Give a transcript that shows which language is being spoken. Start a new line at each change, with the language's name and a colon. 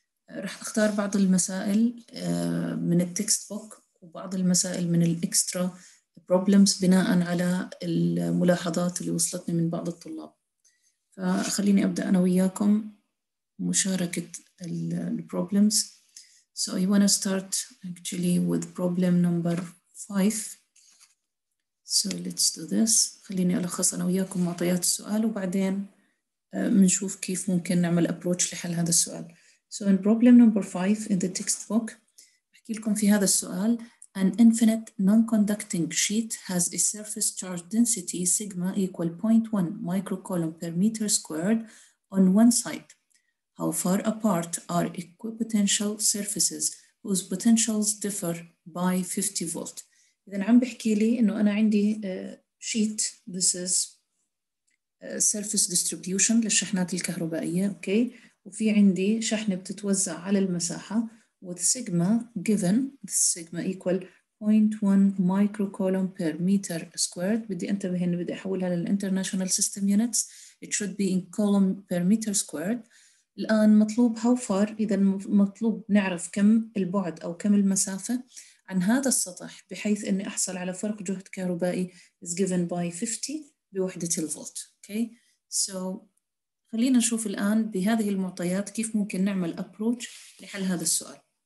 Arabic: راح أختار بعض المسائل من التكست بوك وبعض المسائل من الإكسترا problems بناء على الملاحظات اللي وصلتني من بعض الطلاب. فخليني أبدأ أنا وياكم مشاركة الproblems.
English: So you want to start actually with problem number 5. So let's do this.
Arabic: خليني ألخص أنا وياكم معطيات السؤال وبعدين منشوف كيف ممكن نعمل approach لحل هذا السؤال.
English: So in problem number 5 in the textbook,
Arabic: بحكي لكم في هذا السؤال:
English: An infinite non-conducting sheet has a surface charge density sigma equal 0.1 microcoulomb per meter squared on one side. How far apart are equipotential surfaces whose potentials differ by 50 volt?
Arabic: إذن عم بحكي لي إنه أنا عندي sheet.
English: This is surface distribution
Arabic: للشحنات الكهربائية.
English: Okay.
Arabic: وفي عندي شحنة بتتوزع على المساحة
English: with sigma given. This sigma equal 0.1 microcoulomb per meter squared.
Arabic: بدي أنتبه إنه بدي أحولها للinternational system units.
English: It should be in coulomb per meter squared.
Arabic: الآن مطلوب how far، إذا مطلوب نعرف كم البعد أو كم المسافة عن هذا السطح بحيث أني أحصل على فرق جهد كهربائي
English: is given by
Arabic: 50 بوحدة الفولت.
English: Okay.
Arabic: So خلينا نشوف الآن بهذه المعطيات كيف ممكن نعمل approach لحل هذا السؤال.